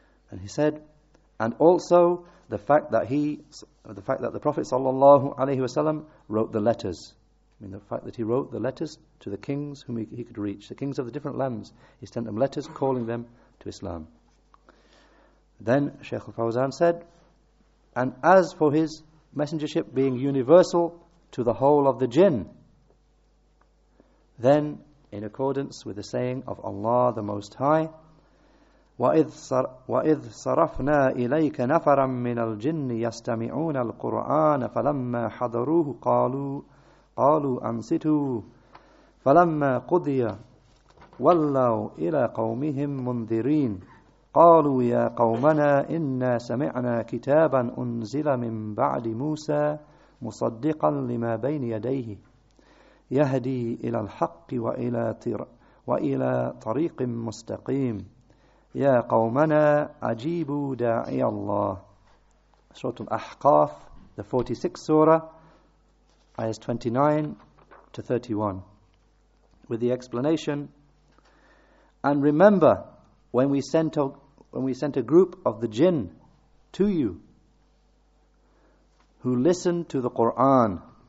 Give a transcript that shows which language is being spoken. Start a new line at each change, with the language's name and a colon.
English: And he said, and also the fact that the Prophet sallallahu alayhi wasallam wrote the letters. I mean, the fact that he wrote the letters to the kings whom he could reach, the kings of the different lands. He sent them letters calling them to Islam. Then Shaykh Al-Fawzan said, and as for his messengership being universal to the whole of the jinn, then in accordance with the saying of Allah the Most High,
Arabic: وَإِذْ صَرَفْنَا إِلَيْكَ نَفَرًا مِّنَ الْجِنِّ يَسْتَمِعُونَ الْقُرْآنَ فَلَمَّا حَضَرُوهُ قَالُوا أَنْصِتُوا فَلَمَّا قُضِيَ وَلَّوْا إِلَى قَوْمِهِمْ مُنذِرِينَ قالوا يا قومنا إنا سمعنا كتابا أنزل من بعد موسى مصدقا لما بين يديه يهدي إلى الحق وإلى طريق مستقيم يا قومنا أجيبوا داعي الله.
English: سورة الأحقاف, the 46th surah, ayahs 29-31, with the explanation, and remember when we sent a group of the jinn to you who listened to the Qur'an.